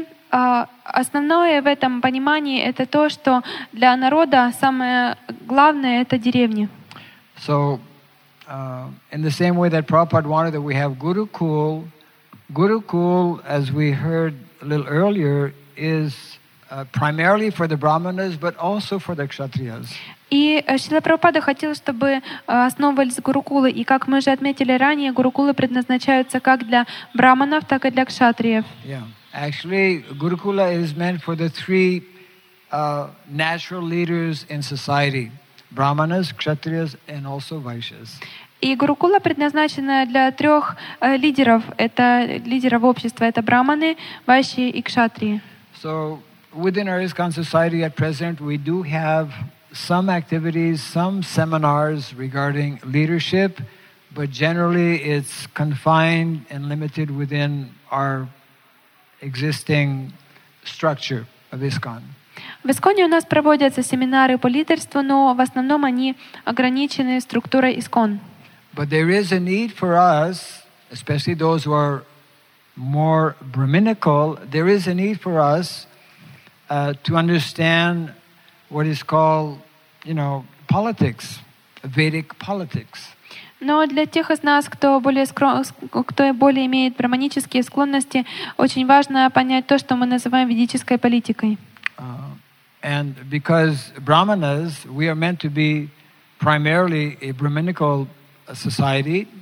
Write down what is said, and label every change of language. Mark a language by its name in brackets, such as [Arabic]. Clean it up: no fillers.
[Russian] Основное в этом понимании — это то, что для народа самое главное — это деревни. [English] So, in the same way that Prabhupada wanted that we have Gurukul, Gurukul, as we heard a little earlier, is primarily for the brahmanas, but also for the kshatriyas. [Russian] И Шрила Прабхупада хотел, чтобы основывались гурукулы. И как мы уже отметили ранее, гурукулы предназначаются как для брахманов, так и для кшатриев. [English] Yeah. Actually, gurukula is meant for the three natural leaders in society. Brahmanas, kshatriyas, and also vaishyas. [Russian] И гурукула предназначена для трех лидеров. Это лидеров общества. Это брахманы, вайши и кшатрии. [English] So, within our ISKCON society at present, we do have some activities, some seminars regarding leadership, but generally it's confined and limited within our existing structure of ISKCON. [Russian] В ИСКОНе у нас проводятся семинары по лидерству, но в основном они ограничены структурой ИСКОН. [English] But there is a need for us, especially those who are more brahminical, there is a need for us to understand what is called, you know, politics, Vedic politics. [Russian] Но для тех из нас, кто более имеет брахманические склонности, очень важно понять то, что мы называем ведической политикой. [English] And because brahmanas, we are meant to be primarily a brahminical society.